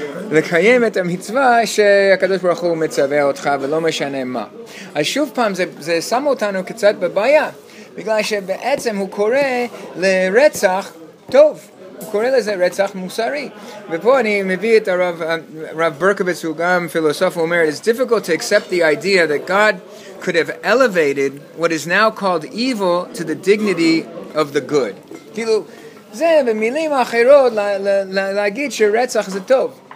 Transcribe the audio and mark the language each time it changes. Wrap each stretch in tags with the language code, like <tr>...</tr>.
<he>לקיים את המצווה שהקדוש ברוך הוא מצווה אותך, ולא משנה מה. אז שוב פעם, זה שם אותנו קצת בבעיה, בגלל שבעצם הוא קורא לרצח טוב. הוא קורא לזה רצח מוסרי. ופה אני מביא את הרב ברקוביץ, הוא גם פילוסוף, הוא אומר,</he> <en>it's difficult to accept the idea that God could have elevated what is now called evil to the dignity of the good.</en> <he>כאילו, זה במילים אחרות להגיד שרצח זה טוב.</he>